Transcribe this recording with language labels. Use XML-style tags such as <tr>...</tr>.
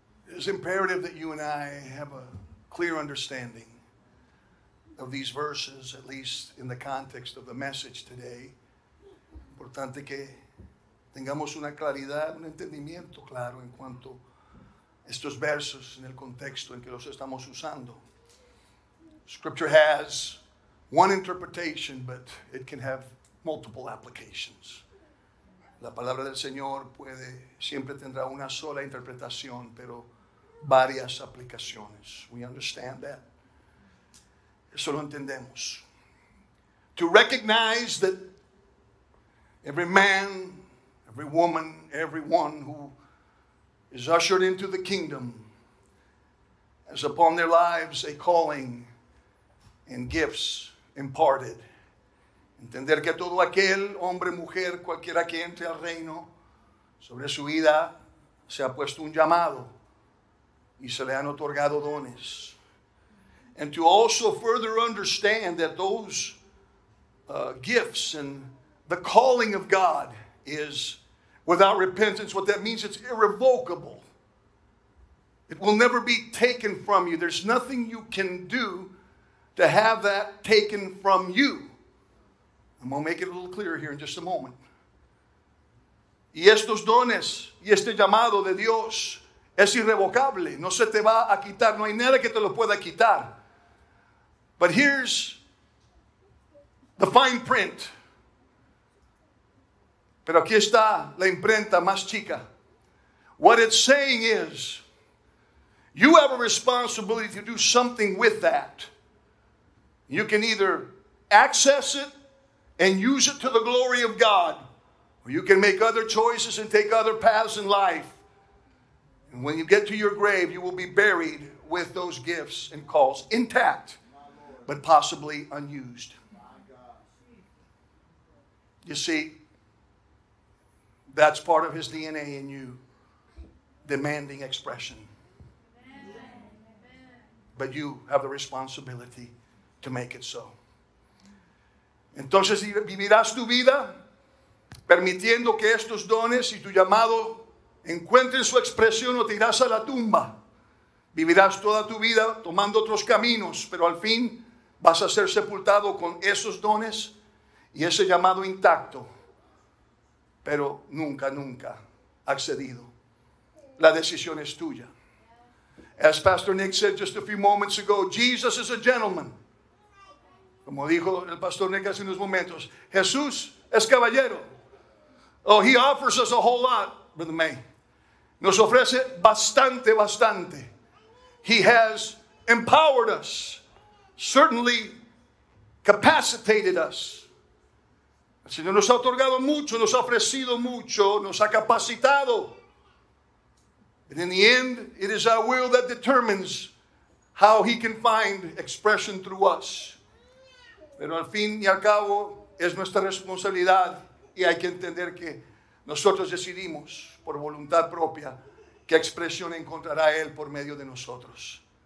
<en>It is imperative that you and I have a clear understanding of these verses, at least in the context of the message today.</en> <es>Importante que tengamos una claridad, un entendimiento claro en cuanto a estos versos en el contexto en que los estamos usando.</es> <en>Scripture has one interpretation, but it can have multiple applications.</en> <es>La palabra del Señor puede, siempre tendrá una sola interpretación, pero varias aplicaciones.</es> <en>We understand that.</en> <es>Eso lo entendemos.</es> <en>To recognize that every man, every woman, everyone who is ushered into the kingdom has upon their lives a calling and gifts imparted.</en> <es>Entender que todo aquel hombre, mujer, cualquiera que entre al reino, sobre su vida se ha puesto un llamado y se le han otorgado dones.</es> <en>And to also further understand that those gifts and the calling of God is without repentance. What that means, it's irrevocable. It will never be taken from you. There's nothing you can do to have that taken from you. I'm going to make it a little clearer here in just a moment.</en> <es>Y estos dones y este llamado de Dios es irrevocable. No se te va a quitar. No hay nada que te lo pueda quitar.</es> <en>But here's the fine print.</en> <es>Pero aquí está la imprenta más chica.</es> <en>What it's saying is, you have a responsibility to do something with that. You can either access it and use it to the glory of God, or you can make other choices and take other paths in life. And when you get to your grave, you will be buried with those gifts and calls intact, but possibly unused. You see, that's part of his DNA in you, demanding expression. but you have the responsibility to make it so.</en> <es>Entonces vivirás tu vida permitiendo que estos dones y tu llamado encuentren su expresión o te irás a la tumba. Vivirás toda tu vida tomando otros caminos, pero al fin vas a ser sepultado con esos dones y ese llamado intacto, pero nunca, nunca accedido. La decisión es tuya.</es> <en>As Pastor Nick said just a few moments ago, Jesus is a gentleman.</en> <es>Como dijo el Pastor Nick hace unos momentos, Jesús es caballero.</es> <en>Oh, he offers us a whole lot, Brother May.</en> <es>Nos ofrece bastante, bastante.</es> <en>He has empowered us, certainly capacitated us.</en> <es>El Señor nos ha otorgado mucho, nos ha ofrecido mucho, nos ha capacitado.</es> <en>And in the end, it is our will that determines how he can find expression through us.</en> <es>Pero al fin y al cabo, es nuestra responsabilidad y hay que entender que nosotros decidimos por voluntad propia qué expresión encontrará él por medio de nosotros.</es>